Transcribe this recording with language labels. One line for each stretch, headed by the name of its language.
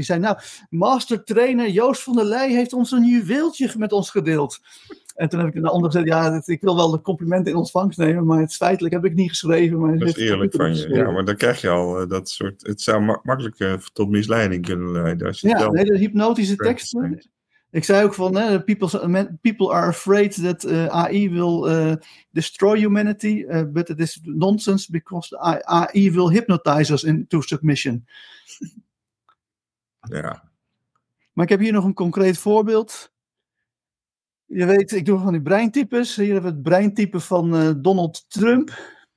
Dutch: Die zei, nou, master trainer Joost van der Leij heeft ons een juweeltje met ons gedeeld. En toen heb ik daaronder gezegd, ja, ik wil wel de complimenten in ontvangst nemen, maar het feitelijk heb ik niet geschreven. Maar dat is eerlijk van je. Ja, maar dan krijg je al dat soort, het zou makkelijk tot misleiding kunnen leiden. Als je ja, nee, de hypnotische teksten. Ik zei ook van,
English: people are afraid that AI will destroy humanity, but it is nonsense because AI will hypnotize us into submission.
Dutch: Ja. Maar ik heb hier nog een concreet voorbeeld. Je weet, ik doe van die breintypes. Hier hebben we het breintype van Donald Trump.